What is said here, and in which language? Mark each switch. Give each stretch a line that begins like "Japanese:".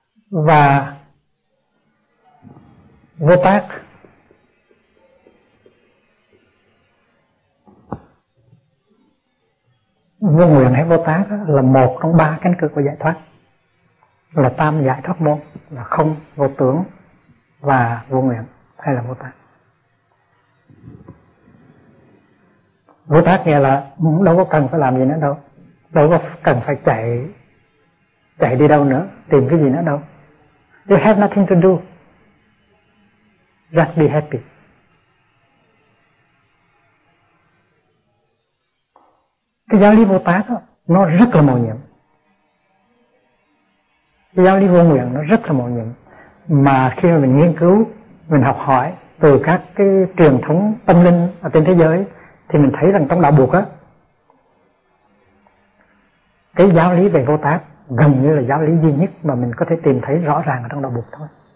Vietnamese: Và vô tác vô nguyện hay vô tác là một trong ba cánh cửa của giải thoát, là tam giải thoát môn, là không, vô tướng và vô nguyện hay là vô tác. Vô tác nghĩa là đâu có cần phải làm gì nữa đâu, đâu có cần phải chạy đi đâu nữa, tìm cái gì nữa đâu.
English: You have nothing to do, just be happy.
Vietnamese: Cái giáo lý vô tác đó, nó rất là mầu nhiệm. Cái giáo lý vô nguyện nó rất là mầu nhiệm. Mà khi mà mình nghiên cứu, mình học hỏi từ các cái truyền thống tâm linh ở trên thế giới, thì mình thấy rằng trong Đạo Phật á, cái giáo lý về vô tác gần như là giáo lý duy nhất mà mình có thể tìm thấy rõ ràng ở trong Đạo Phật thôi.